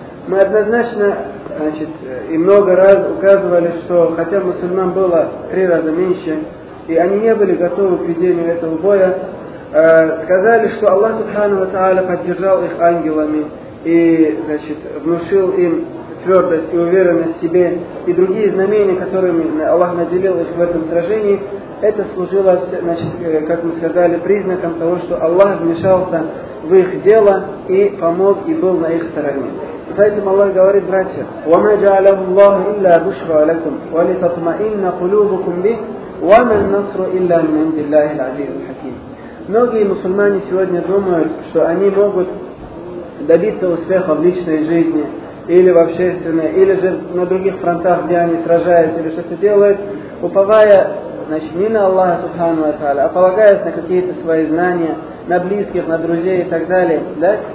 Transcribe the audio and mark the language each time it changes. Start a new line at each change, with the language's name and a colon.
Russian: Мы однозначно, значит, и много раз указывали, что хотя мусульман было 3 раза меньше, и они не были готовы к ведению этого боя, сказали, что Аллах Субхану ва Тааля поддержал их ангелами и, значит, внушил им твердость и уверенность в себе, и другие знамения, которыми Аллах наделил их в этом сражении, это служило, значит, как мы сказали, признаком того, что Аллах вмешался в их дело и помог, и был на их стороне. Поэтому Аллах говорит: братья,
Arabic: وَمَا جَعَلَهُ اللَّهُ إِلَّا بُشْرَ لَكُمْ وَلِتَطْمَئِنَّ قُلُوبُكُمْ بِهِ وَمَا النَّصْرُ إِلَّا مِنْ عِنْدِ اللَّهِ الْعَزِيزِ الْحَكِيمِ.
Russian: Многие мусульмане сегодня думают, что они могут добиться успеха в личной жизни или в общественной, или же на других фронтах, где они сражаются или что-то делают, уповая, значит, не на Аллаха Субхану ва Тааля, а полагаясь на какие-то свои знания, на близких, на друзей и так далее, да?